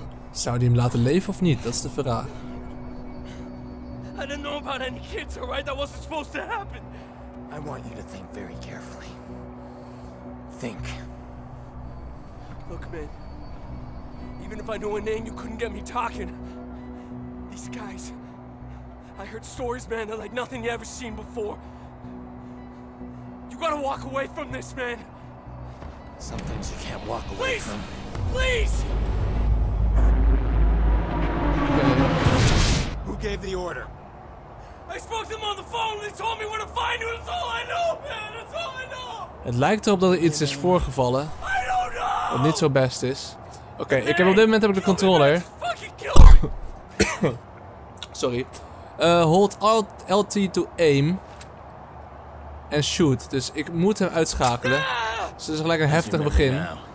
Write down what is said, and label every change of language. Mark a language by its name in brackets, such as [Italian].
[Dutch] Zou die hem laten leven of niet? Dat is de vraag. [English] I didn't know about any kids, alright? That wasn't supposed to happen. I want you to think very carefully. Think. Look, man. Even if I knew a name, you couldn't get me talking. These guys. I heard stories, man, they're like nothing you ever seen before. You gotta walk away from this, man. Some things you can't walk away from. Please! Who gave the order? I spoke to them on the phone and they told me where to find you. That's all I know, man. That's all I know. [Dutch] Het lijkt erop dat er iets is voorgevallen. [English] I don't know. [Dutch] Wat niet zo best is. Oké, okay, ik heb op dit moment heb ik de controller. [English] Sorry. Hold alt LT to aim. En shoot. [Dutch] Dus ik moet hem uitschakelen. Dus het is gelijk een heftig begin.